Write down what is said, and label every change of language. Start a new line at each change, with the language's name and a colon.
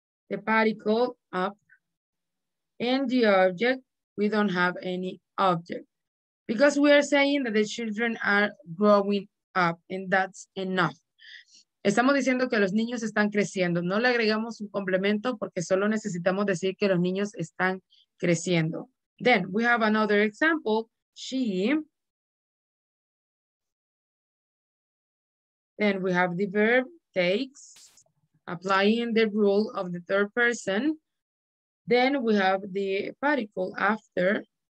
English: The particle up. And the object, we don't have any object, because we are saying that the children are growing up, and that's enough.
Spanish: Estamos diciendo que los niños están creciendo. No le agregamos un complemento porque solo necesitamos decir que los niños están creciendo.
English: Then we have another example. Then we have the verb takes, applying the rule of the third person. Then we have the particle after.